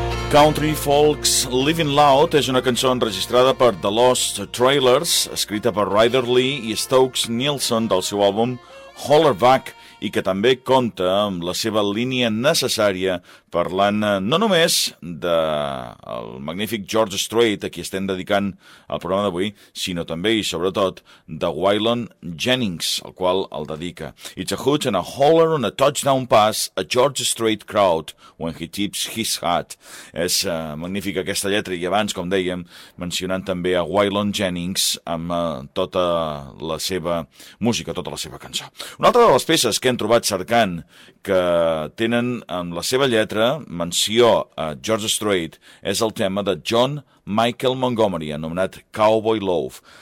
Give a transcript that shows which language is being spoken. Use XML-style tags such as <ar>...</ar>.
<ca>Country Folks Living Loud és una cançó enregistrada per The Lost Trailers, escrita per Ryder Lee i Stokes Nielsen del seu àlbum Hollerback, i que també compta amb la seva línia necessària parlant no només del magnífic George Strait, a qui estem dedicant el programa d'avui, sinó també i sobretot de Waylon Jennings, al qual el dedica.</ca> <en>It's a hoot and a holler on a touchdown pass, a George Strait crowd when he tips his hat.</en> <ca>És magnífica aquesta lletra, i abans, com dèiem, mencionant també a Waylon Jennings amb tota la seva música, tota la seva cançó. Una altra de les peces que hem trobat cercant que tenen amb la seva lletra menció a George Strait és el tema de John Michael Montgomery, anomenat Cowboy Love.</ca>